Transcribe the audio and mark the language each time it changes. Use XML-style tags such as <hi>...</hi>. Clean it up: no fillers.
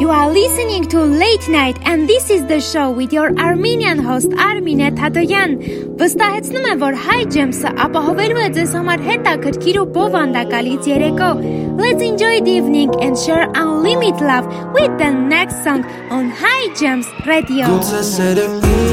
<en>Listening to Late Night, and this is the show with your Armenian host Armine Tatoyan.</en> <hy>Վստահեցնում եմ, որ High Jams-ը ապահովելու է ձեզ համար հետաքրքիր ու բովանդակալից երեկո.</hy> <en>Let's enjoy the evening and share unlimited love with the next song on High Jams Radio.</en>